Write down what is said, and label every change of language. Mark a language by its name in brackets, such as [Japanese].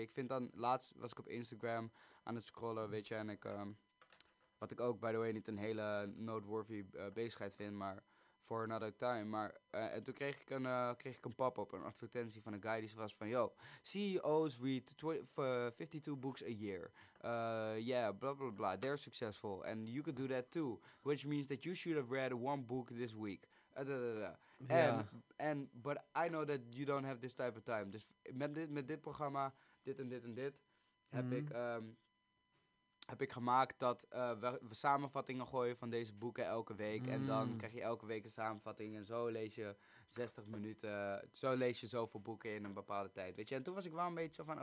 [Dutch] Ik vind dan, laatst was ik op Instagram aan het scrollen, weet je. En ik, wat ik ook, [English] by the way, [Dutch] niet een hele noteworthy bezigheid vind, maar [English] for another time. [Dutch] Maar, en toen kreeg ik een pop-up, een advertentie van een guy die was van, yo, [English] CEO's read 52 books a year. Yeah, blah, blah, blah. They're successful. And you could do that too. Which means that you should have read one book this week. And but I know that you don't have this type of time. [Dutch] Dus met dit programma, dit en dit en dit, heb ik gemaakt dat we samenvattingen gooien van deze boeken elke week. Mm. En dan krijg je elke week een samenvatting. En zo lees je 60 minuten. Zo lees je zoveel boeken in een bepaalde tijd. Weet je? En toen was ik wel een beetje zo van, oké.